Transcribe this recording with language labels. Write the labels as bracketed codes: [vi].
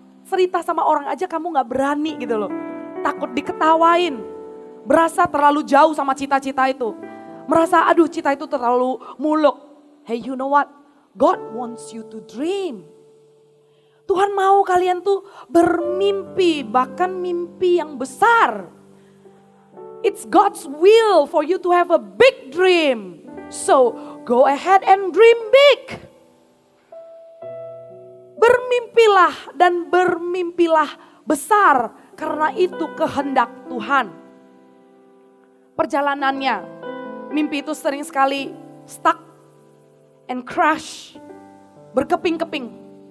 [id] Cerita sama orang aja kamu gak berani gitu loh. Takut diketawain. Merasa terlalu jauh sama cita-cita itu. Merasa aduh cita itu terlalu muluk. [en] Hey, you know what? God wants you to dream. [id] Tuhan mau kalian tuh bermimpi, bahkan mimpi yang besar. [en] It's God's will for you to have a big dream. So, go ahead and dream big. [id] Bermimpilah dan bermimpilah besar, karena itu kehendak Tuhan. Perjalanannya, mimpi itu sering sekali [en] stuck and crash, [id] berkeping-keping.